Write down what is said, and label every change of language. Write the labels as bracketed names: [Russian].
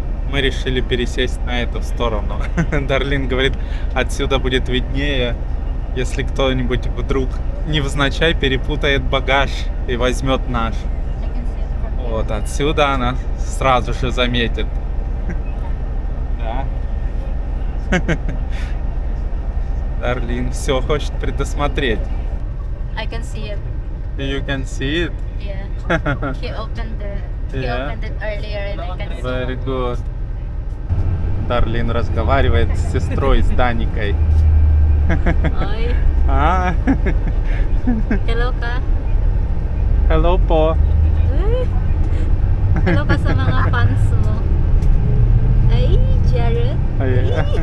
[Russian] Мы решили пересесть на эту сторону. Дарлин говорит, отсюда будет виднее, если кто-нибудь вдруг невзначай перепутает багаж и возьмет наш. Вот отсюда она сразу же заметит. Да. Дарлин все хочет предусмотреть. [English] I can see it. You can see it? Yeah. He opened it earlier and I can see it. Very good. [Russian] Дарлин разговаривает с сестрой, с Даникой. [Filipino] Ой. А? Hello, ka. Hello, po. Hello, ka sa mga fans mo. Ay, Jared. Ay.